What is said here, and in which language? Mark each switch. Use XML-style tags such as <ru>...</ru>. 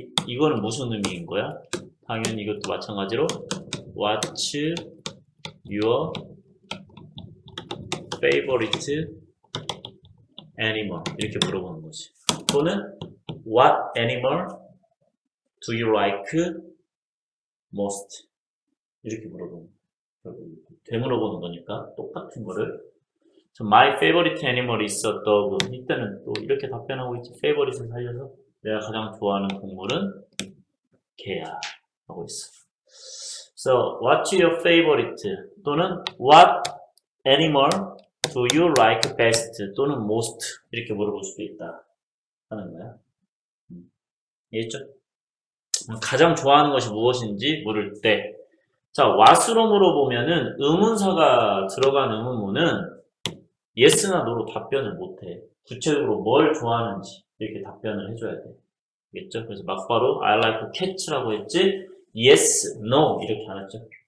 <ko>이거는 무슨 의미인 거야? 당연히 이것도 마찬가지로</ko> <en>what's your favorite animal</en> <ko>이렇게 물어보는 거지. 또는</ko> <en>what animal do you like most</en> <ko>이렇게 물어보는 되물어보는 거니까 똑같은 거를.</ko> <en>So my favorite animal is a dog.</en> <ko>이때는 또 이렇게 답변하고 있지. favorite을 살려서 내가 가장 좋아하는 동물은 개야 하고 있어.</ko> <en>So what's your favorite 또는 what animal Do you like best 또는 most</en> <ko>이렇게 물어볼 수도 있다 하는 거야. 이해했죠? 가장 좋아하는 것이 무엇인지 물을 때, 자, what으로 물어보면은 의문사가 들어간 의문문은 yes나 no로 답변을 못해. 구체적으로 뭘 좋아하는지 이렇게 답변을 해줘야 돼. 이해했죠? 그래서 막바로</ko> <en>I like cats</en> <ko>라고 했지 yes, no 이렇게 안 했죠.</ko>